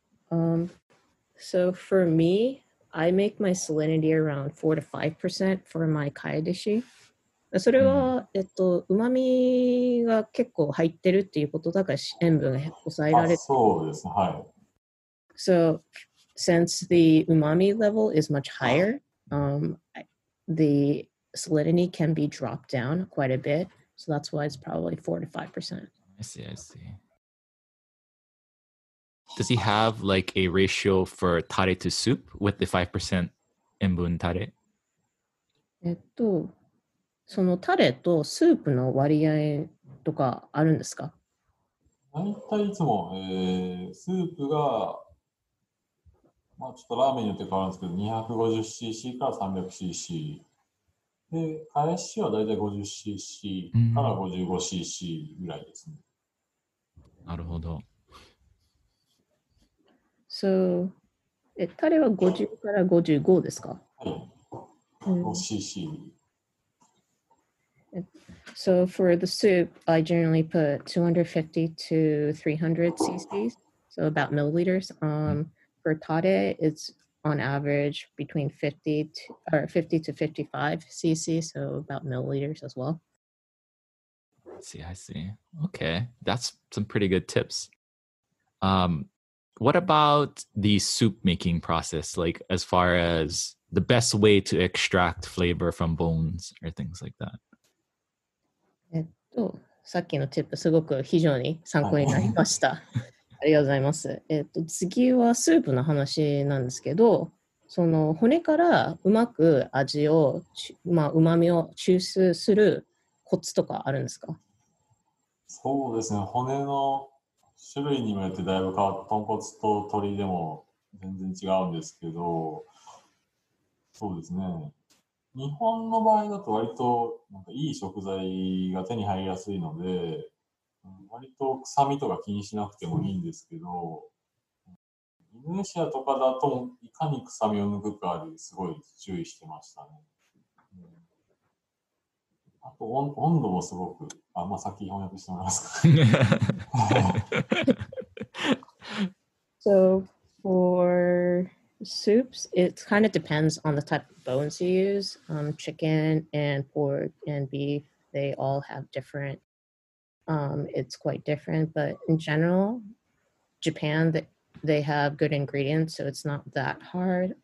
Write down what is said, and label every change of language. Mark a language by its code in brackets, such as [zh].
[en] So for me, I make my salinity around 4-5% for my kai dishi. [ja] それは、うまみが結構入ってるっていうことだから塩分が抑えられる。あ、そうですね、はい。 [en] So since the umami level is much higher, the salinity can be dropped down quite a bit. So that's why it's probably 4-5%. I see. Does he have like a ratio for tare to soup with the 5% 塩分tare? [ja] そのタレとスープの割合とかあるんですか？大体いつも、スープが、ちょっとラーメンによって変わるんですけど、250cc から 300cc。で、返しは大体 50cc から 55cc ぐらいですね。なるほど。 So, タレは50から55ですか？はい。5cc。 [en] So, for the soup, I generally put 250 to 300cc, so about milliliters. For tare, it's on average between 50 to 55cc, so about milliliters as well. I see. Okay, that's some pretty good tips. What about the soup making process, like as far as the best way to extract flavor from bones or things like that? [ja] さっきのチップすごく非常に参考になりました。ありがとうございます。次はスープの話なんですけど、その骨からうまく味を、うまみを抽出するコツとかあるんですか？そうですね、骨の種類にもよってだいぶ変わった、豚骨と鶏でも全然違うんですけど、そうですね、日本の場合だと割となんかいい食材が手に入りやすいので、割と臭みとか気にしなくてもいいんですけど、インドネシアとかだといかに臭みを抜くかですごい注意してましたね。あと温度もすごく、先に翻訳してもらいますか。 [en] So, for soups. It kind of depends on the type of bones you use. Chicken and pork and beef, they all have different, it's quite different. But in general, Japan, they have good ingredients, so it's not that hard.